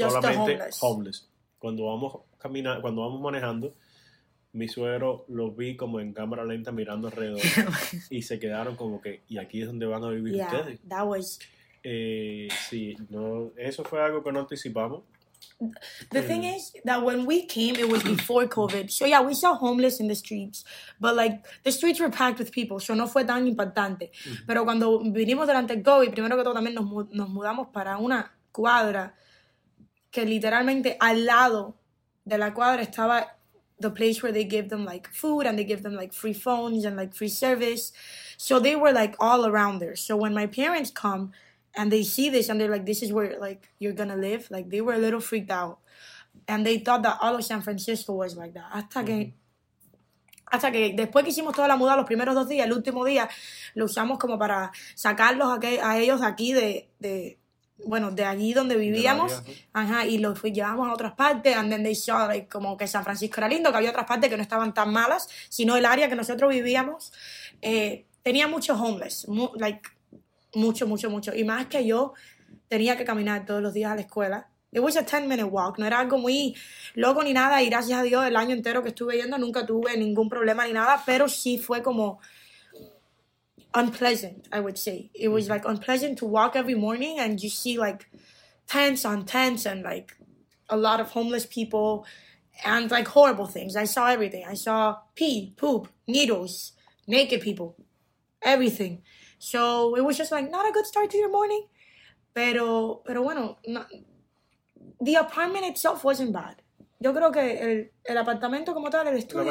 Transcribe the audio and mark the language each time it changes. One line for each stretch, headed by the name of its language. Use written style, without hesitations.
Spanish: solamente
English: homeless.
Spanish: Cuando vamos manejando, mi suegro los vi como en cámara lenta mirando alrededor y se quedaron como que, ¿y aquí es donde van a vivir yeah, ustedes?
English: That was...
Spanish: sí, no, eso fue algo que no anticipamos.
English: The thing is that when we came, it was before COVID. So yeah, we saw homeless in the streets, but like the streets were packed with people.
Spanish: So no fue tan impactante. Mm-hmm. Pero cuando vinimos durante el COVID, primero que todo también nos mudamos para una cuadra que literalmente al lado de la cuadra estaba
English: the place where they give them like food and they give them like free phones and like free service. So they were like all around there. So when my parents come, and they see this and they're like, this is where like you're gonna live. Like they were a little freaked out. And they thought that all of San Francisco was like that.
Spanish: Hasta que después que hicimos toda la muda los primeros dos días, el último día, lo usamos como para sacarlos a ellos aquí de allí donde vivíamos. Ajá. Y los llevamos a otras partes.
English: And then they saw like
Spanish: como que San Francisco era lindo, que había otras partes que no estaban tan malas, sino el área que nosotros vivíamos. Tenía muchos homeless. Mucho, mucho, mucho. Y más que yo tenía que caminar todos los días a la escuela.
English: It was a 10-minute walk.
Spanish: No era algo muy loco ni nada. Y gracias a Dios, el año entero que estuve yendo, nunca tuve ningún problema ni nada. Pero sí fue como
English: unpleasant, I would say. It was like unpleasant to walk every morning and you see like tents on tents and like a lot of homeless people and like horrible things. I saw everything. I saw pee, poop, needles, naked people, everything. So it was just like not a good start to your morning,
Spanish: pero bueno,
English: the apartment itself wasn't bad.
Spanish: Yo creo que el apartamento como tal, el estudio.